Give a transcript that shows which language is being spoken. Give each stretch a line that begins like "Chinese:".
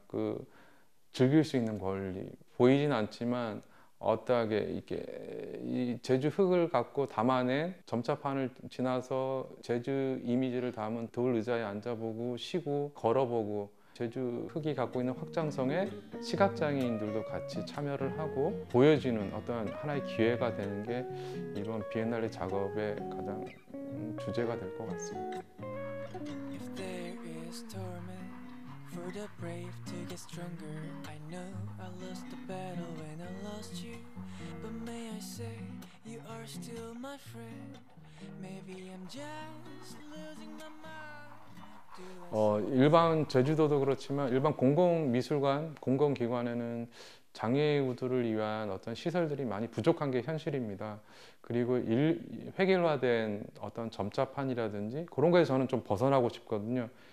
Korean: 그 즐길 수 있는 권리. 보이진 않지만 어떠하게 이렇게 이 제주 흙을 갖고 담아낸 점자판을 지나서 제주 이미지를 담은 돌 의자에 앉아보고 쉬고 걸어보고 제주 흙이 갖고 있는 확장성에 시각장애인들도 같이 참여를 하고 보여지는 어떤 하나의 기회가 되는 게 이번 비엔날레 작업의 가장 주제가 될 것 같습니다.
English: If there is torment for the brave to get stronger, I know I lost the battle when I lost you. But may I say you are still my friend. Maybe I'm just losing my mind.
Korean: 일반 제주도도 그렇지만 일반 공공미술관, 공공기관에는 장애우들을 위한 어떤 시설들이 많이 부족한 게 현실입니다. 그리고 획일화된 어떤 점자판이라든지 그런 거에 저는 좀 벗어나고 싶거든요.